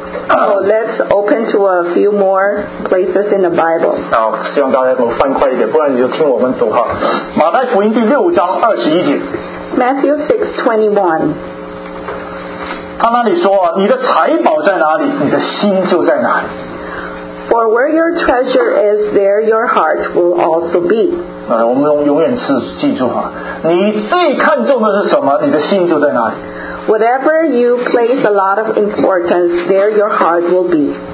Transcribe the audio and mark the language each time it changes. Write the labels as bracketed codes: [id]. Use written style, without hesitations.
[en] So let's open to a few more places in the Bible. [zh] 希望大家给我翻快一点，不然你就听我们读哈。马太福音第六章二十一节。 [en] Matthew 6:21. [zh] 他那里说，你的财宝在哪里，你的心就在哪里。 [en] For where your treasure is, there your heart will also be. [zh] 我们永远记住哈，你最看重的是什么，你的心就在哪里。 [en] Whatever you place a lot of importance, there your heart will be.